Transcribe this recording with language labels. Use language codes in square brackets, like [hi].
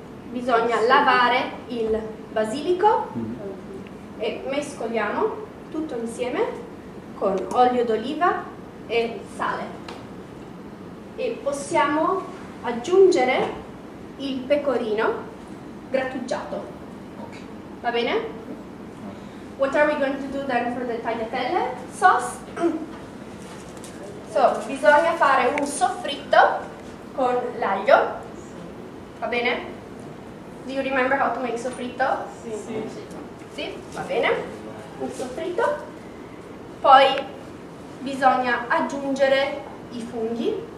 [it] Bisogna lavare il basilico e mescoliamo tutto insieme con olio d'oliva e sale. E possiamo aggiungere il pecorino grattugiato. [en] Okay. [it] Va bene? [en] What are we going to do then for the tagliatelle sauce? [it] So, bisogna fare un soffritto con l'aglio. Va bene? [en] Do you remember how to make soffritto? [it] Sì. Sì, va bene. Un soffritto. Poi bisogna aggiungere i funghi.